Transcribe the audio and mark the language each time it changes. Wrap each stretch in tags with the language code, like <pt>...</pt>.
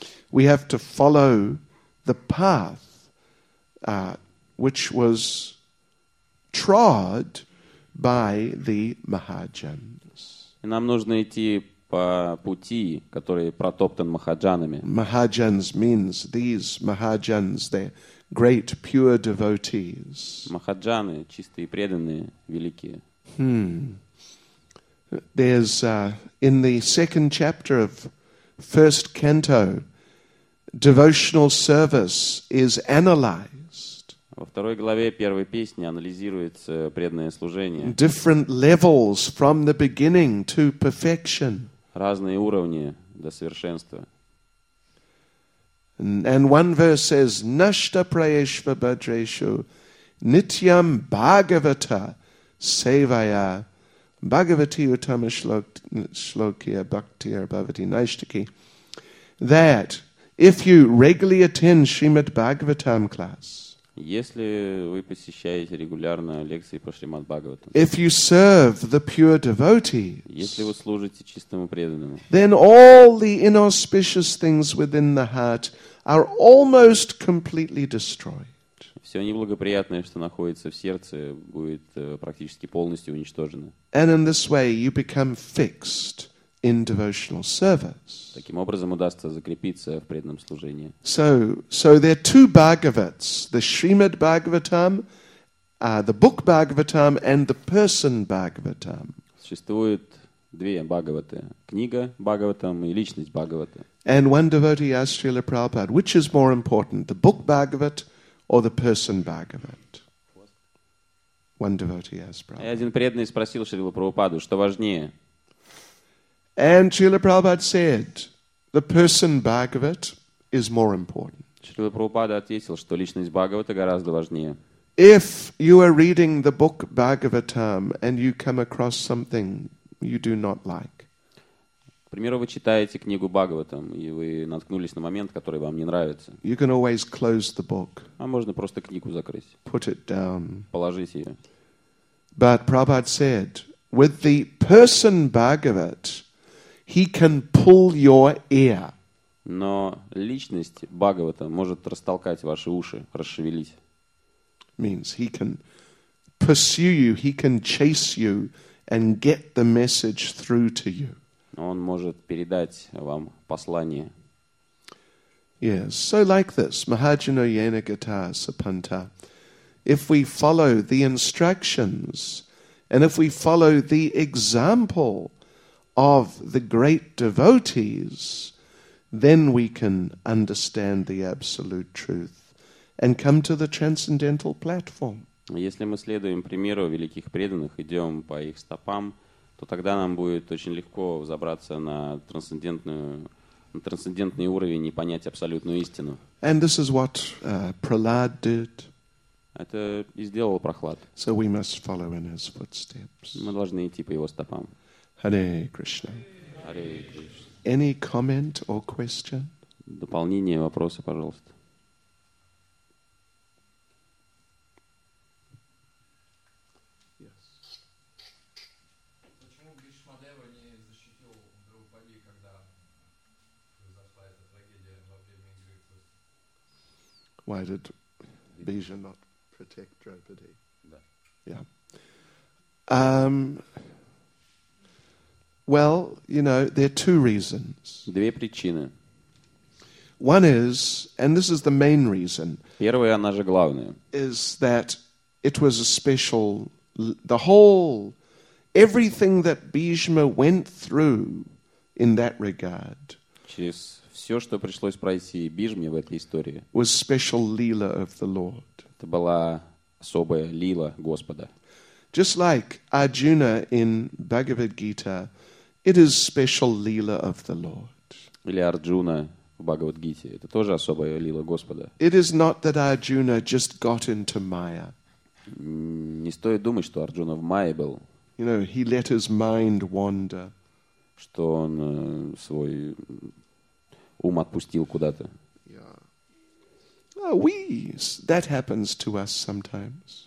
<en>We have to follow the path which was trod by the Mahajans.</en> <ru>И нам нужно идти по пути, который протоптан Махаджанами.</ru> <en>Mahajans means these Mahajans, they're great pure devotees.</en> <ru>Махаджаны, чистые преданные, великие.</ru> <en>There's in the second chapter of first canto, devotional service is analyzed.</en> <ru>Во второй главе первой песни анализируется преданное служение.</ru> <en>Different levels from the beginning to perfection.</en> <ru>Разные уровни до совершенства.</ru> <en>And one verse says,</en> <sa>Nashta prayeshva bhadreshu nityam bhagavata sevaya. Bhagavati Uttama Shlokya Bhakti Arbhavati Naishtaki.</sa> <en>That if you regularly attend Srimad Bhagavatam class,</en> <ru>если вы посещаете регулярно лекции по Шримад Бхагаватам,</ru> <en>if you serve the pure devotees,</en> <ru>если вы служите чистому преданному,</ru> <en>then all the inauspicious things within the heart are almost completely destroyed.</en> <ru>Все неблагоприятное, что находится в сердце, будет практически полностью уничтожено.</ru> <en>And in this way you become fixed in devotional service.</en> <ru>Таким образом удастся закрепиться в преданном служении.</ru> <en>So there are two Bhagavats, the Srimad Bhagavatam, the book Bhagavatam and the person Bhagavatam.</en> <ru>Существует две Бхагаваты, книга Бхагаватам и личность Бхагаваты.</ru> <en>And one devotee asked Srila Prabhupada, which is more important, the book Bhagavat or the person Bhagavat? One devotee asked Prabhupada.</en> <ru>Один преданный спросил Шрилу Прабхупаду, что важнее?</ru> <en>And Srila Prabhupada said, the person Bhagavat is more important.</en> <ru>Шрила Прабхупада ответил, что личность Бхагавата гораздо важнее.</ru> <en>If you are reading the book Bhagavatam and you come across something you do not like.</en> <ru>К примеру, вы читаете книгу Бхагаватам, и вы наткнулись на момент, который вам не нравится.</ru> <en>You can always close the book.</en> <ru>А можно просто книгу закрыть.</ru> <en>Put it down.</en> <ru>Положить ее.</ru> <en>But Prabhupada said, with the person Bhagavat, he can pull your ear.</en> <ru>Но личность Бхагавата может растолкать ваши уши, расшевелить.</ru> <en>Means he can pursue you, he can chase you and get the message through to you.</en> <ru>Он может передать вам послание.</ru> <en>Yes, so like this,</en> <sa>Mahajano yena gata sapanta.</sa> <en>If we follow the instructions and if we follow the example of the great devotees, then we can understand the absolute truth and come to the transcendental platform.</en> <ru>Если мы следуем примеру великих преданных, идем по их стопам, то тогда нам будет очень легко взобраться на трансцендентный уровень и понять абсолютную истину.</ru> <en>And this is what, Prahlad did.</en> <ru>Это и сделал Прохлад.</ru> <en>So we must follow in his footsteps.</en> <ru>Мы должны идти по его стопам.</ru> <sa>Hare Krishna. Hare Krishna.</sa> <en>Any comment or question?</en> <ru>Дополнение, вопросы, пожалуйста.</ru> <en>Why did Bhija not protect Draupadi? No. Yeah. Well, you know, there are two reasons.</en> <ru>Две причины.</ru> <en>One is, and this is the main reason.</en> <ru>Первая, она же главная.</ru> <en>Is that it was a special, the whole, everything that Bhishma went through in that regard.</en> <ru>Через все, что пришлось пройти Бижме в этой истории,</ru> <en>was special lila of the Lord.</en> <ru>Это была особая лила Господа.</ru> <en>Just like Arjuna in Bhagavad Gita, it is special lila of the Lord.</en> <ru>Или Арджуна в Бхагавад Гите, это тоже особая лила Господа.</ru> <en>It is not that Arjuna just got into Maya.</en> <ru>Не стоит думать, что Арджуна в Майе был.</ru> <en>You know, he let his mind wander.</en> <ru>Что он свой ум отпустил куда-то.</ru> <en>Yeah. That happens to us sometimes.</en>